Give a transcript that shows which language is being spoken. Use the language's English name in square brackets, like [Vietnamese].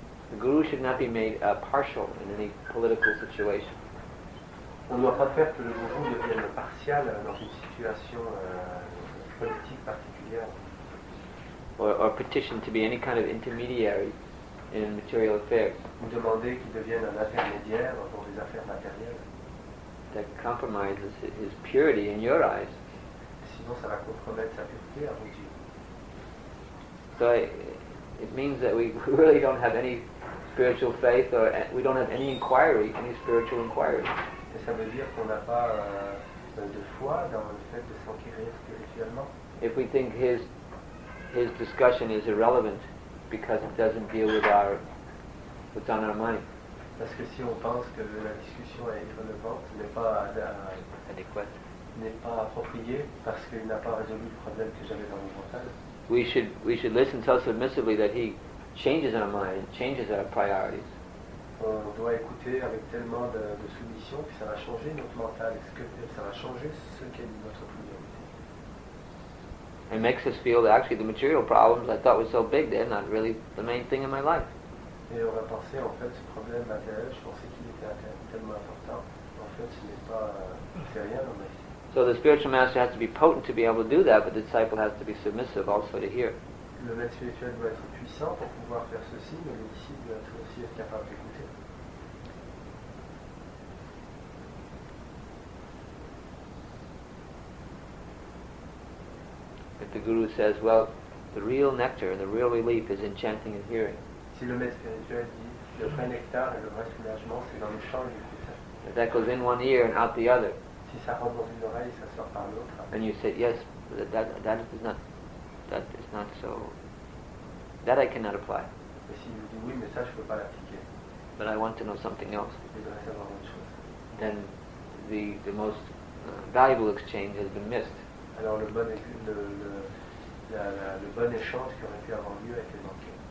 [English] The guru should not be made partial in any political situation. [French] On ne doit pas faire que le guru devienne partial dans une situation politique particulière. [English] Or petition to be any kind of intermediary in material affairs. [French] Demander qu'il devienne un intermédiaire pour les affaires matérielles. [English] That compromises his purity in your eyes. [French] Sinon, ça va compromettre sa pureté à vos yeux. [English] So it means that we really don't have any spiritual faith, or we don't have any spiritual inquiry. [French] Et ça veut dire qu'on n'a pas de foi dans le fait de s'enquérir spirituellement. [English] If we think his discussion is irrelevant because it doesn't deal with what's on our mind. [French] Parce que si on pense que la discussion est irrelevante, n'est pas appropriée parce qu'il n'a pas résolu le problème que j'avais dans mon mental. [English] We should listen so submissively that he changes our mind, changes our priorities. [French] On doit écouter avec tellement de soumission que ça va changer notre mental, ça va changer ce qu'est notre priorité. [English] It makes us feel that actually the material problems I thought were so big, they're not really the main thing in my life. [French] Et on va penser, en fait, ce problème matériel, je pensais qu'il était tellement important, en fait, ce n'est pas, c'est rien dans ma vie. [English] So the spiritual master has to be potent to be able to do that, but the disciple has to be submissive also to hear. [French] Le maître spirituel doit être puissant pour pouvoir faire ceci, mais le disciple doit aussi être capable d'écouter. [English] If the guru says, well, the real nectar and the real relief is in chanting and hearing. [French] Si le maître spirituel dit, le vrai nectar et le vrai soulagement, c'est dans le chant et l'écoute. [English] If that goes in one ear and out the other. [French] Si ça rentre dans une oreille, ça sort par l'autre. [English] And you said yes, that is not so. That I cannot apply. [French] Et si vous dites oui, mais ça je peux pas l'appliquer. [English] But I want to know something else. [French] Je voudrais savoir autre chose. [English] Then the most valuable exchange has been missed. [French] Alors le bon échange qui aurait pu avoir lieu a été manqué.